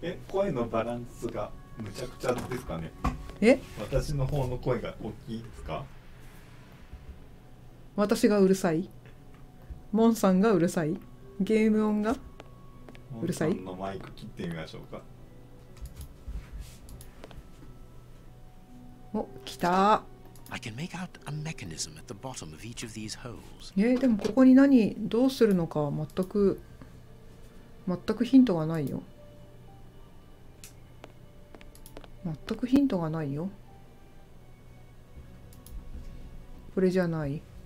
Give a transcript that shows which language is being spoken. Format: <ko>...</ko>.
<ja>声のバランスがむちゃくちゃですかね。え、私の方の声が大きいですか。私がうるさい、モンさんがうるさい、ゲーム音がうるさい。モンさんのマイク切ってみましょうか。お、きた。</ja> <en>I can make out a mechanism at the bottom of each of these holes.</en> <ja>でもここに何、どうするのか全くヒントがないよ。全くヒントがないよ。これじゃない。</ja>